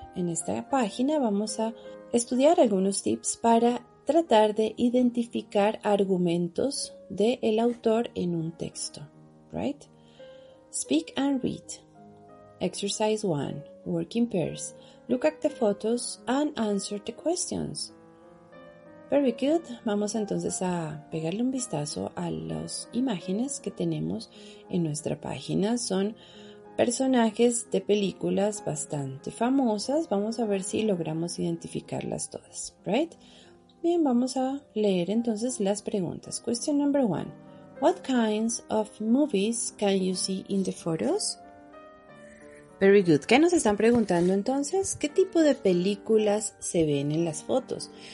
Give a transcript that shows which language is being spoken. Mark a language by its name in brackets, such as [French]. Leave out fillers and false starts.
[Spanish] En esta página vamos a estudiar algunos tips para tratar de identificar argumentos del autor en un texto, [English] right? Speak and read. Exercise 1. Work in pairs. Look at the photos and answer the questions. Very good. [Spanish] Vamos entonces a pegarle un vistazo a las imágenes que tenemos en nuestra página. Son personajes de películas bastante famosas. Vamos a ver si logramos identificarlas todas, [English] right? [Spanish] Bien, vamos a leer entonces las preguntas. [English] Question number 1. What kinds of movies can you see in the photos? Very good. [Spanish] ¿Qué nos están preguntando entonces? ¿Qué tipo de películas se ven en las fotos?